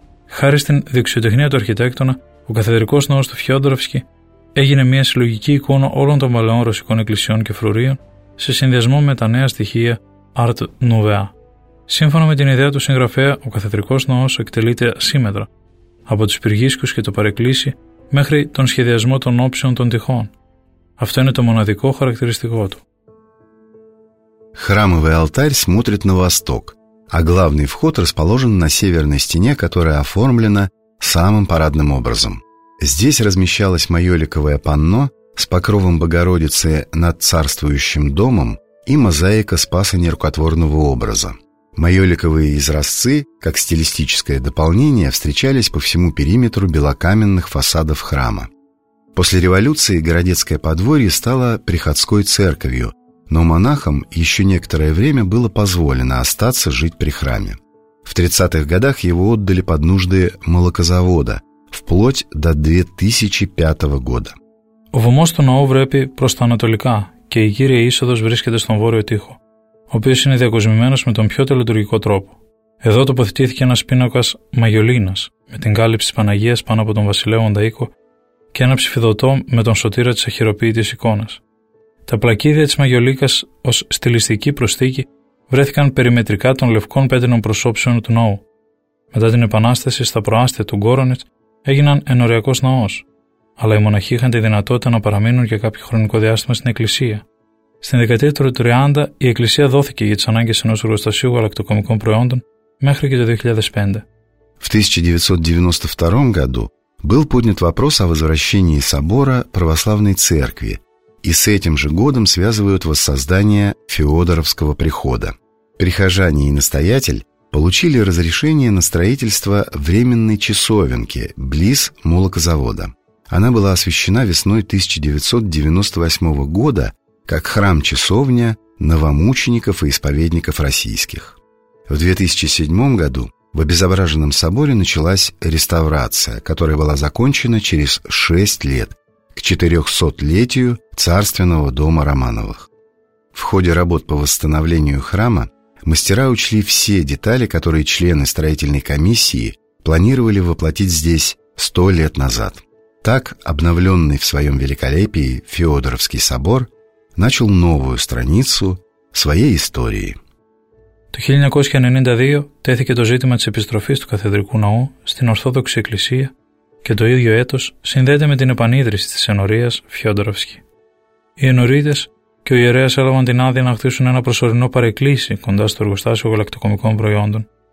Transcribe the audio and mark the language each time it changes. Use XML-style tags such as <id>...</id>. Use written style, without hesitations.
<el>Χάρη στην δεξιοτεχνία του αρχιτέκτονα, ο καθεδρικός ναός του Φιόντοροφσκι έγινε μια συλλογική εικόνα όλων των παλαιών ρωσικών εκκλησιών και φρουρίων σε συνδυασμό με τα νέα στοιχεία Art Nouveau. Σύμφωνα με την ιδέα του συγγραφέα, ο καθεδρικός ναός εκτελείται ασύμμετρα από τους πυργίσκους και το παρεκκλήσι μέχρι τον σχεδιασμό των όψεων των τειχών. Αυτό είναι το μοναδικό χαρακτηριστικό του.</el> <ru>Храмовый алтарь смотрит на восток, а главный вход расположен на северной стене, которая оформлена самым парадным образом. Здесь размещалось майоликовое панно с покровом Богородицы над царствующим домом и мозаика Спаса нерукотворного образа. Майоликовые изразцы, как стилистическое дополнение, встречались по всему периметру белокаменных фасадов храма. После революции городецкое подворье стало приходской церковью, но монахам еще некоторое время было позволено остаться жить при храме. В 30-х годах его отдали под нужды молокозавода, вплоть до 2005 года.</ru> <el>В мосту на Овропе просто анатолика, и кирия исодос врискетес на ворою тихо, ο οποίος είναι διακοσμημένος με τον πιο τελετουργικό τρόπο. Εδώ τοποθετήθηκε ένας πίνακας μαγιολίνας με την κάλυψη της Παναγίας πάνω από τον βασιλεύοντα οίκο και ένα ψηφιδωτό με τον σωτήρα της αχυροποίητης εικόνας. Τα πλακίδια της μαγιολίκας ως στιλιστική προσθήκη βρέθηκαν περιμετρικά των λευκών πέτρινων προσώψεων του ναού. Μετά την Επανάσταση στα προάστια του Γκόρονιτς έγιναν ενωριακός ναός, αλλά οι μοναχοί είχαν τη δυνατότητα να παραμείνουν για κάποιο χρονικό διάστημα στην εκκλησία. Στην δεκαετία του 30 η εκκλησία δόθηκε για τις ανάγκες ενός εργοστασίου γαλακτοκομικών προϊόντων μέχρι και το 2005.</el> <ru>В 1992 году был поднят вопрос о возвращении собора православной церкви, и с этим же годом связывают воссоздание Феодоровского прихода. Прихожане и настоятель получили разрешение на строительство временной часовенки близ молокозавода. Она была освящена весной 1998 года как храм-часовня новомучеников и исповедников российских. В 2007 году в обезображенном соборе началась реставрация, которая была закончена через 6 лет, к 400-летию царственного дома Романовых. В ходе работ по восстановлению храма мастера учли все детали, которые члены строительной комиссии планировали воплотить здесь 100 лет назад. Так обновленный в своем великолепии Феодоровский собор начал новую страницу своей истории.</ru> <el>Το 1992 τέθηκε το ζήτημα της επιστροφής του Καθεδρικού Ναού στην Ορθόδοξη Εκκλησία και το ίδιο έτος συνδέεται με την επανίδρυση της ενορίας Φιόντοροφσκη. Οι ενορίτες και ο ιερέας έλαβαν την άδεια να χτίσουν ένα προσωρινό παρεκκλήσι κοντά στο εργοστάσιο γαλακτοκομικών προϊόντων.</el>